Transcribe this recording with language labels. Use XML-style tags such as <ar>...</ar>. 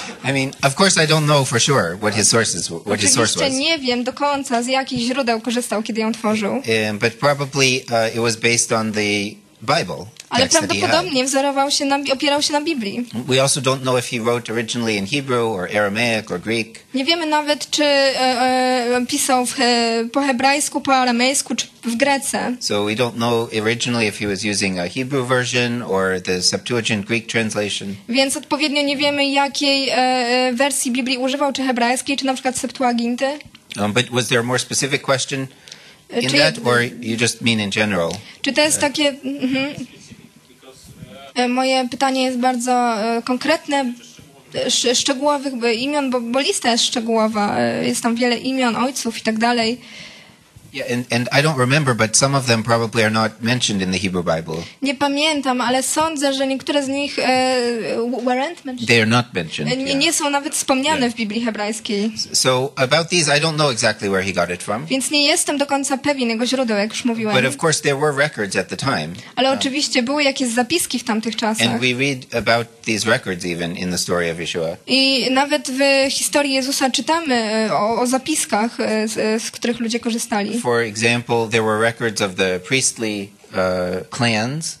<en>I mean, of course I don't know for sure what his source is, what his source was.</en> <pl>Oczywiście nie wiem do końca, z jakich źródeł korzystał, kiedy ją tworzył.</pl> <en>But probably it was based on the Bible.</en> <pl>Ale prawdopodobnie wzorował się na, opierał się na Biblii.</pl> <en>We also don't know if he wrote originally in Hebrew or Aramaic or Greek.</en> <pl>Nie wiemy nawet, czy pisał po hebrajsku, po aramejsku, czy w Grece.</pl> <en>So we don't know originally if he was using a Hebrew version or the Septuagint Greek translation.</en> <pl>Więc odpowiednio nie wiemy, jakiej wersji Biblii używał, czy hebrajskiej, czy na przykład Septuaginty.</pl> <en>But was there a more specific question? In czy, that, or you just mean in general?</en> <pl>Czy to jest takie... Moje pytanie jest bardzo konkretne, szczegółowych imion, bo lista jest szczegółowa. Jest tam wiele imion, ojców i tak dalej.</pl> <en>Yeah, and I don't remember, but some of them probably are not mentioned in the Hebrew Bible.</en> <pl>Nie pamiętam, ale sądzę, że niektóre z nich</pl> <en>weren't mentioned. They are not mentioned.</en> <pl>Nie są nawet wspomniane w Biblii hebrajskiej.</pl> <en>So about these, I don't know exactly where he got it from.</en> <pl>Więc nie jestem do końca pewien jego źródeł, jak już mówiłem.</pl> <en>But of course there were records at the time.</en> <pl>Ale oczywiście były jakieś zapiski w tamtych czasach.</pl> <en>And we read about these records even in the story of Yeshua.</en> <pl>I nawet w historii Jezusa czytamy o zapiskach, z których ludzie korzystali.</pl> <en>For example, there were records of the priestly clans.</en>